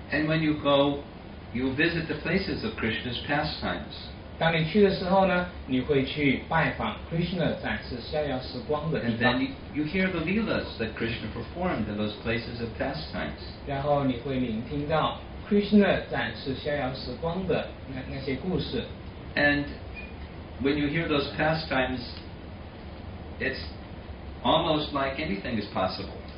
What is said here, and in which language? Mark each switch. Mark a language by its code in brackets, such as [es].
[en] And when you go, you'll visit the places of Krishna's pastimes. [zh] 当你去的时候呢，你会去拜访 Krishna 展示逍遥时光的地方。 [en] And then you hear the leelas that Krishna performed in those places of pastimes. [zh] 然后你会聆听到 Krishna 展示逍遥时光的那些故事。 [en] And when you hear those pastimes, it's almost like anything is possible.